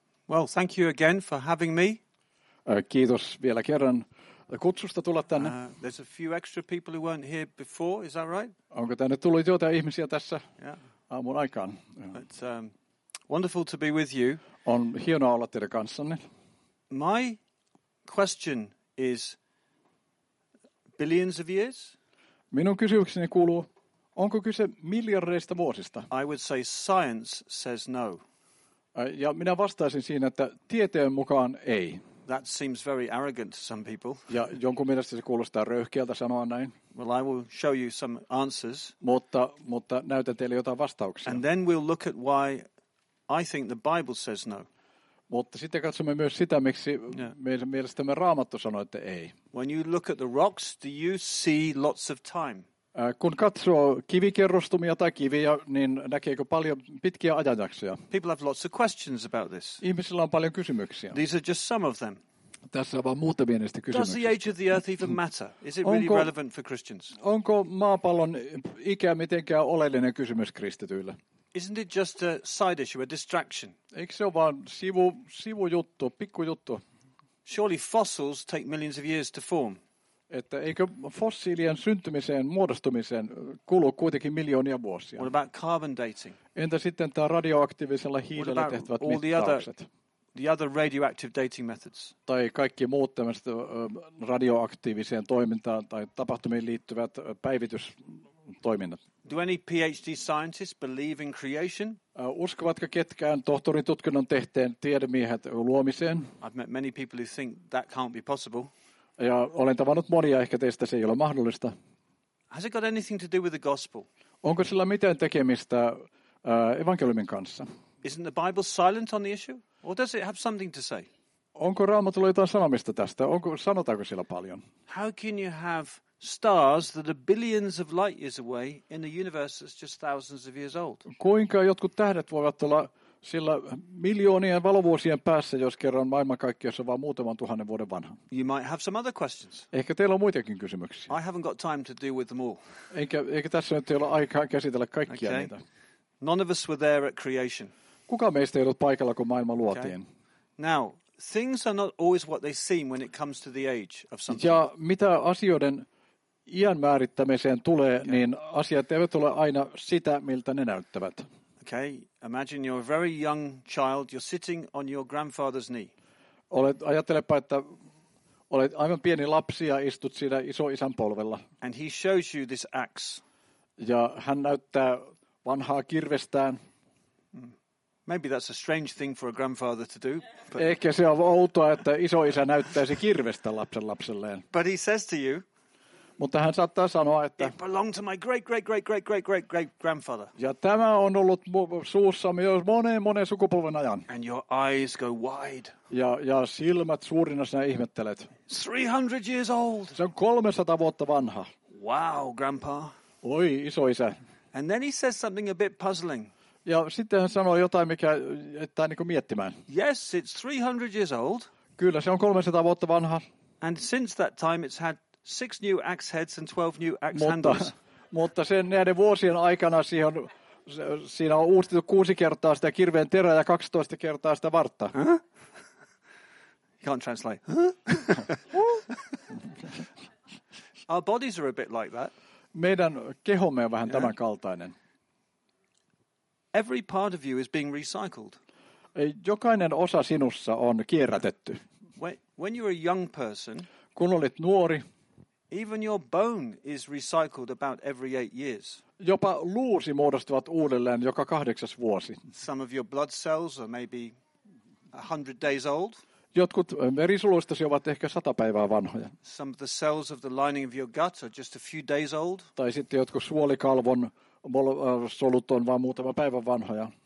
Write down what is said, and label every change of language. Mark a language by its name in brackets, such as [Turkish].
[English] Well, thank you again for having me. [Finnish] Kiitos vielä kerran kutsusta tulla tänne. [English] There's a few extra people who weren't here before, is that right? [Finnish] Onko tänne tullut joita ihmisiä tässä aamun aikaan? [English] It's wonderful to be with you. [Finnish] On hienoa olla teidän kanssanne. [English] My question is billions of years? [Finnish] Minun kysymykseni kuuluu, onko kyse miljardeista vuosista? [English] I would say science says no. [Finnish] Ja minä vastaisin siinä, että tieteen mukaan ei. [English] That seems very arrogant to some people. [Finnish] Ja jonkun mielestä se kuulostaa röyhkeältä sanoa näin. [English] Well, I will show you some answers. [Finnish] Mutta näytän teille jotain vastauksia. [English] And then we'll look at why I think the Bible says no. [Finnish] Mutta sitten katsomme myös sitä, miksi meidän mielestämme Raamattu sanoi, että ei. [English] When you look at the rocks, do you see lots of time? [Finnish] Kun katsoo kivikerrostumia tai kiviä, niin näkeekö paljon pitkiä ajanjaksoja? [English] People have lots of questions about this. [Finnish] Ihmisillä on paljon kysymyksiä. [English] These are just some of them. [Finnish] Tässä on vain muutamia niistä kysymyksistä. [English] Does the age of the earth even matter? Is it really relevant for Christians? [Finnish] Onko maapallon ikä mitenkään oleellinen kysymys kristityille? [English] Isn't it just a side issue, a distraction? [Finnish] Eikö se ole vain sivujuttu, pikkujuttu? [English] Surely fossils take millions of years to form. [Finnish] Että eikö fossiilien syntymiseen, muodostumiseen kulu kuitenkin miljoonia vuosia? [English] What about carbon dating? [Finnish] Entä sitten tämä radioaktiivisella hiilellä tehtävät mittaukset? [English] What about all the other radioactive dating methods? [Finnish] Tai kaikki muut tämmöiset radioaktiiviseen toimintaan tai tapahtumiin liittyvät päivitystoiminnat? [English] Do any PhD scientists believe in creation? [Finnish] Uskovatko ketkään tohtorintutkinnon tehteen tiedemiehet luomiseen? [English] I've met many people who think that can't be possible. [Finnish] Ja olen tavannut monia, ehkä teistä se ei ole mahdollista. [English] Has it got anything to do with the gospel? [Finnish] Onko sillä mitään tekemistä evankeliumin kanssa? [English] Isn't the Bible silent on the issue? Or does it have something to say? [Finnish] Onko Raamatulla jotain sanomista tästä? Sanotaanko sillä paljon? [English] How can you have stars that are billions of light years away in a universe that's just thousands of years old? [Finnish] Kuinka jotkut tähdet voivat olla sillä miljoonien valovuosien päässä, jos kerran maailmankaikkeus on vain muutaman tuhannen vuoden vanha. [English] You might have some other questions. [Finnish] Ehkä teillä on muitakin kysymyksiä. [English] I haven't got time to deal with them all. [Finnish] Eikä tässä nyt ole aikaa käsitellä kaikkia niitä. [English] None of us were there at creation. [Finnish] Kuka meistä ei ollut paikalla, kun maailma luotiin? [English] Now, things are not always what they seem when it comes to the age of something. [Finnish] Ja mitä asioiden iän määrittämiseen tulee, niin asiat eivät ole aina sitä, miltä ne näyttävät. [English] Okay, imagine you're a very young child, you're sitting on your grandfather's knee. [Finnish] Ajattelepa, että olet aivan pieni lapsi ja istut siinä isoisän polvella. [English] And he shows you this axe. [Finnish] Ja hän näyttää vanhaa kirvestään. [English] Maybe that's a strange thing for a grandfather to do. But... [Finnish] Ehkä se on outoa, että isoisä näyttäisi kirvestä lapsenlapselleen. [English] But he says to you, [Finnish] mutta hän saattaa sanoa, että [English] it belonged to my great great great great great great great grandfather. [Finnish] Ja tämä on ollut suussamme jo moneen sukupolven ajan. [English] And your eyes go wide. [Finnish] Ja silmät suurina sinä ihmettelet. [English] 300 years old. [Finnish] Se on 300 vuotta vanha. [English] Wow, grandpa. [Finnish] Oi, isoisä. [English] And then he says something a bit puzzling. [Finnish] Ja sitten hän sanoo jotain, mikä jättää niin kuin miettimään. [English] Yes, it's 300 years old. [Finnish] Kyllä, se on 300 vuotta vanha. [English] And since that time it's had 6 new axe heads and 12 new axe handles. [Finnish] Mutta sen näiden vuosien aikana siinä on uusittu 6 kertaa sitä kirveen terää ja 12 kertaa sitä vartta. [English] Huh? You can't translate. Huh? Our bodies are a bit like that. [Finnish] Meidän kehomme on vähän tämän kaltainen. [English] Every part of you is being recycled. [Finnish] Jokainen osa sinussa on kierrätetty. [English] When you were a young person, [Finnish] kun olit nuori, [English] even your bone is recycled about every 8 years. [Finnish] Jopa luusi muodostuvat uudelleen joka 8. vuosi. [English] Some of your blood cells are maybe 100 days old. [Finnish] Jotkut verisuluistasi ovat ehkä 100 päivää vanhoja. [English] Some of the cells of the lining of your gut are just a few days old. [Finnish] Tai sitten jotkut suolikalvon solut on vain muutama päivä vanhoja.